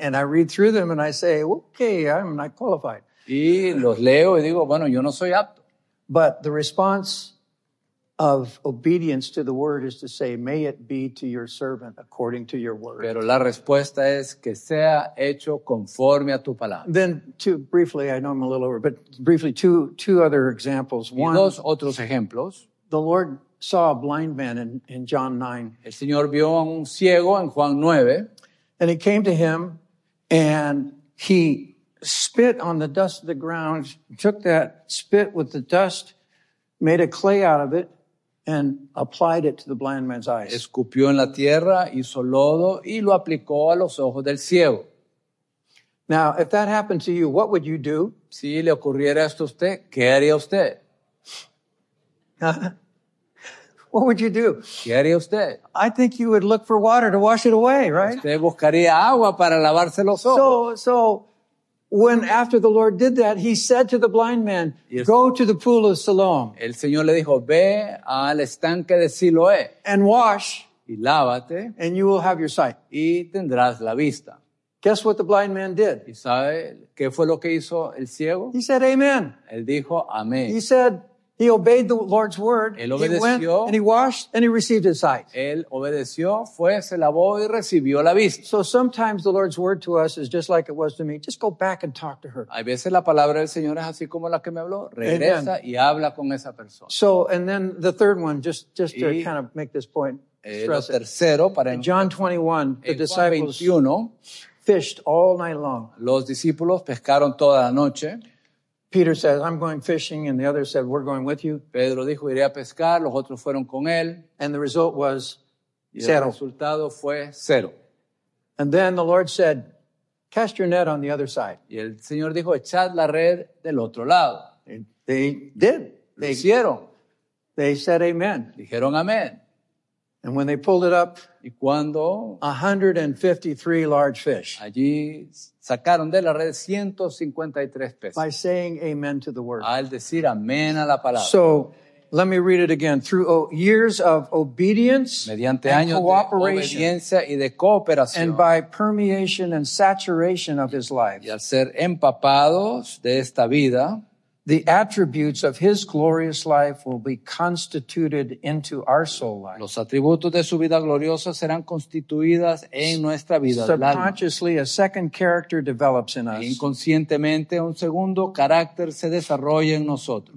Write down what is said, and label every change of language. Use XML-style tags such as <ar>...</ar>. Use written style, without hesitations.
<en>And I read through them and I say, okay, I'm not qualified.</en> <es>Y los leo y digo, bueno, yo no soy apto.</es> <en>But the response of obedience to the word is to say, may it be to your servant according to your word.</en> <es>Pero la respuesta es que sea hecho conforme a tu palabra.</es> <en>Then two briefly, I know I'm a little over, but briefly two other examples. One,</en> <es>y dos otros ejemplos.</es> <en>The Lord saw a blind man in John 9.</en> <es>El Señor vio a un ciego en Juan 9.</es> <en>And he came to him and he spit on the dust of the ground, took that spit with the dust, made a clay out of it and applied it to the blind man's eyes.</en> <es>Escupió en la tierra, hizo lodo y lo aplicó a los ojos del ciego.</es> <en>Now, if that happened to you, what would you do?</en> <es>Si le ocurriera esto a usted, ¿qué haría usted?</es> <en>What would you do?</en> <es>¿Qué haría usted?</es> <en>I think you would look for water to wash it away, right?</en> <es>Usted buscaría agua para lavarse los ojos.</es> <en>When after the Lord did that, he said to the blind man, go to the pool of Siloam.</en> <es>El Señor le dijo, ve al estanque de Siloé.</es> <en>And wash.</en> <es>Y lávate.</es> <en>And you will have your sight.</en> <es>Y tendrás la vista.</es> <en>Guess what the blind man did?</en> <es>¿Y sabe qué fue lo que hizo el ciego?</es> <en>He said, amen.</en> <es>Él dijo, amén.</es> <en>He said, he obeyed the Lord's word.</en> <es>Él obedeció.</es> <en>He went and he washed and he received his sight.</en> <es>Él obedeció, fue, se lavó y recibió la vista.</es> <en>So sometimes the Lord's word to us is just like it was to me. Just go back and talk to her.</en> <es>A veces la palabra del Señor es así como la que me habló. Regresa y habla con esa persona.</es> <en>So, and then the third one, just to kind of make this point. Stress</en> <es>tercero para</es> <en>in John 21, the disciples fished all night long.</en> <es>Los discípulos pescaron toda la noche.</es> <en>Peter says, I'm going fishing, and the others said, we're going with you.</en> <es>Pedro dijo, iré a pescar, los otros fueron con él.</es> <en>And the result was</en> <es>el cero. Resultado fue cero.</es> <en>And then the Lord said, cast your net on the other side.</en> <es>Y el Señor dijo, echad la red del otro lado.</es> <en>They did.</en> <es>Lo hicieron.</es> <en>They said amen.</en> <es>Dijeron amén.</es> <en>And when they pulled it up,</en> <es>y cuando</es> <en>153 large fish.</en> <es>Allí sacaron de la red 153 peces.</es> <en>By saying amen to the word.</en> <es>Al decir amén a la palabra.</es> <en>So, Let me read it again. Through years of obedience</en> <es>mediante</es> <en>and</en> <es>años</es> <en>cooperation,</en> <es>de obediencia y de cooperación,</es> <en>and by permeation and saturation of his life,</en> <es>y al ser empapados de esta vida,</es> <en>the attributes of his glorious life will be constituted into our soul life.</en> <es>Los atributos de su vida gloriosa serán constituidas en nuestra vida.</es> <en>Subconsciously, a second character develops in us.</en> <es>Inconscientemente, un segundo carácter se desarrolla en nosotros.</es>